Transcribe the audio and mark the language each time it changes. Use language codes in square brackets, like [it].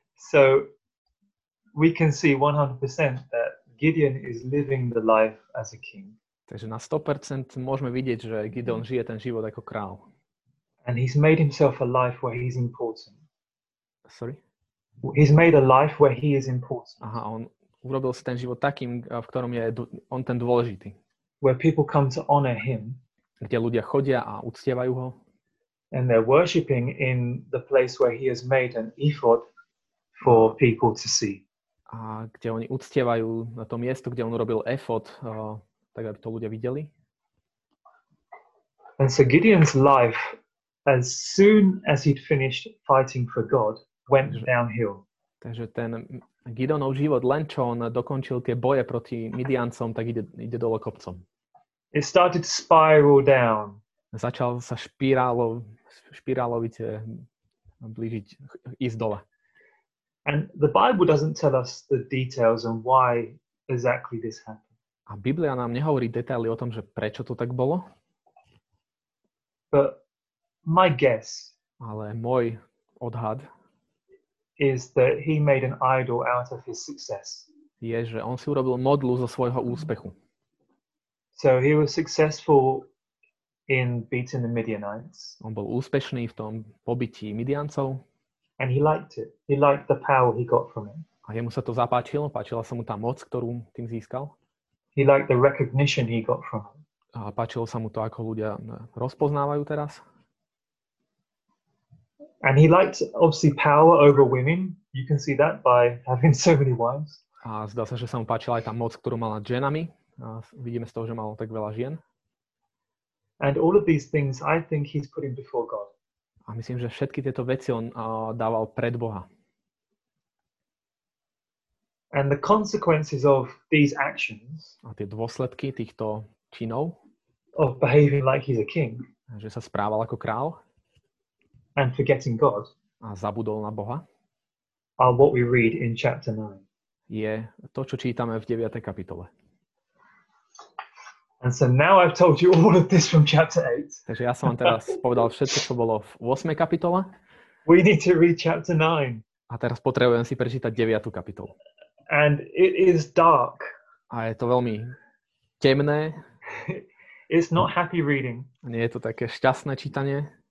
[en] So we can see 100% that Gideon is living the life as a king. [sk] Takže na 100% môžeme vidieť, že Gideon žije ten život ako král. [en] And he's made himself a life where he's important. Sorry? He's made a life where he is important. [sk] Aha, on urobil si ten život takým, v ktorom je on ten dôležitý. [en] Where people come to honor him. [sk] Kde ľudia chodia a uctievajú ho. [en] And they're worshiping in the place where he has made an ephod for people to see. [sk] A kde oni uctievajú na tom miestu, kde on urobil ephod, tak aby to ľudia videli. [en] And so Gideon's life, as soon as he'd finished fighting for God, went downhill. [sk] Takže ten Gideonov život, len čo on dokončil tie boje proti Midiancom, tak ide dole kopcom. [en] It started to spiral down. [sk] Začal sa špirálovite blížiť, ísť dole. [en] And the Bible doesn't tell us the details and why exactly this happened. [sk] A Biblia nám nehovorí detaily o tom, že prečo to tak bolo. [en] But my guess, [sk] ale môj odhad, [en] is that he made an idol out of his success. [sk] Je, že on si urobil modlu zo svojho úspechu. [en] So he was successful in beating the Midianites. [sk] On bol úspešný v tom pobití Midiancov. [en] And he liked it. He liked the power he got from it. [sk] A jemu sa to zapáčilo, páčila sa mu tá moc, ktorú tým získal. [en] He liked the recognition he got from it. [sk] A páčilo sa mu to, ako ľudia rozpoznávajú teraz. [en] And he liked obviously power over women. You can see that by having so many wives. [sk] A zdá sa, že sa mu páčila aj tá moc, ktorú mal nad ženami. A vidíme z toho, že mal tak veľa žien. [en] And all of these things I think he's putting before God. [sk] A myslím, že všetky tieto veci on dával pred Boha. [en] And the consequences of these actions. [sk] A tie dôsledky týchto činov. [en] Of behaving like he's a king. [sk] Že sa správal ako král. [en] And forgetting God. [sk] A zabudol na Boha. [en] Are what we read in chapter 9. [sk] Je to, čo čítame v 9. kapitole. [en] And so now I've told you all of this from chapter 8. [sk] Takže ja som vám teraz povedal všetko, čo bolo v 8. kapitole. [en] We need to read chapter 9. [sk] A teraz potrebujem si prečítať 9. kapitolu. [en] And it is dark. [sk] A je to veľmi temné. [en] It's not happy reading. [sk] Nie je to také šťastné čítanie.